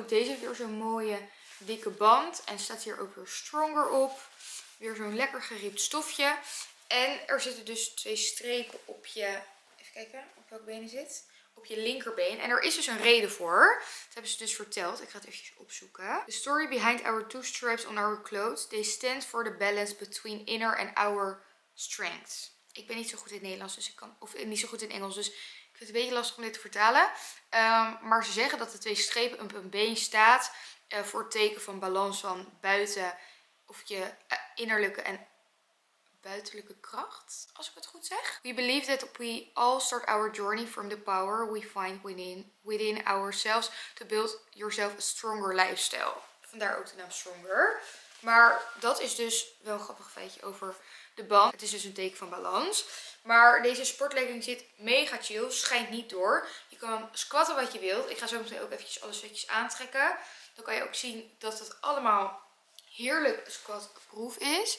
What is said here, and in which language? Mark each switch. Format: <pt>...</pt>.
<nl>Ook deze heeft weer zo'n mooie dikke band. En staat hier ook weer Stronger op. Weer zo'n lekker geriept stofje. En er zitten dus 2 strepen op je, even kijken op welk benen zit. Op je linkerbeen. En er is dus een reden voor. Dat hebben ze dus verteld. Ik ga het even opzoeken.</nl> <en>The story behind our 2 stripes on our clothes. They stand for the balance between inner and outer strength.</en> <nl>Ik ben niet zo goed in Nederlands. Dus ik kan, of niet zo goed in Engels. Dus ik vind het een beetje lastig om dit te vertalen. Maar ze zeggen dat de 2 strepen op een been staat. Voor het teken van balans van buiten. Of je innerlijke en buitenlijke kracht, als ik het goed zeg.</nl> <en>We believe that we all start our journey from the power we find within ourselves to build yourself a stronger lifestyle.</en> <nl>Vandaar ook de naam Stronger. Maar dat is dus wel een grappig feitje over de band. Het is dus een teken van balans. Maar deze sportlegging zit mega chill, schijnt niet door. Je kan squatten wat je wilt. Ik ga zo meteen ook eventjes alle setjes aantrekken. Dan kan je ook zien dat het allemaal heerlijk squat-proof is.</nl>